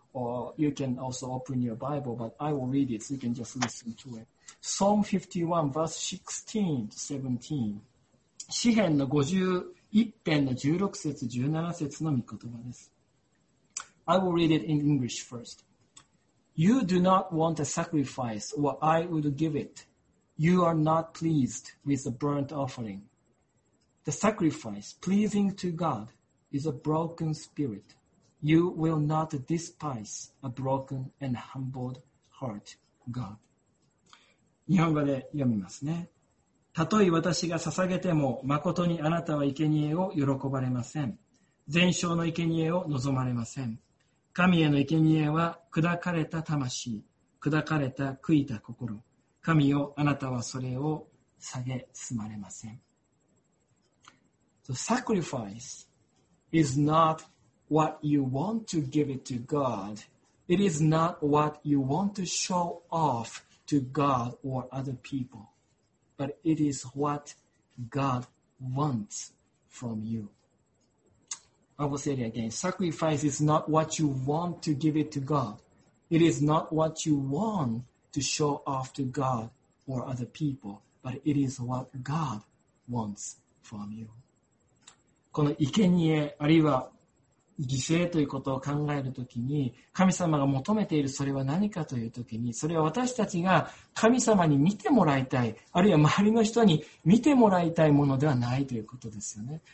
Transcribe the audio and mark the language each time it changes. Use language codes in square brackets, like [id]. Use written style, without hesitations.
[en] or you can also open your Bible, but I will read it, so you can just listen to it. Psalm 51, verse 16 to 17. [ja] 詩編の51編の16節17節の御言葉です。 [en] I will read it in English first. You do not want a sacrifice, or I would give it. You are not pleased with a burnt offering. The sacrifice pleasing to God is a broken spirit. You will not despise a broken and humbled heart, God. [ja] 日本語で読みますね。たとえ私が捧げても、まことにあなたは生贄を喜ばれません。全焼の生贄を望まれません。神への生贄は砕かれた魂、砕かれた悔いた心。神よ、あなたはそれを蔑まれません。 [en] So, sacrifice is not what you want to give it to God. It is not what you want to show off to God or other people. But it is what God wants from you. I will say it again. Sacrifice is not what you want to give it to God. It is not what you want to show off to God or other people. But it is what God wants from you. [ja] この生贄あるいは犠牲ということを考えるときに、神様が求めているそれは何かというときに、それは私たちが神様に見てもらいたい、あるいは周りの人に見てもらいたいものではないということですよね。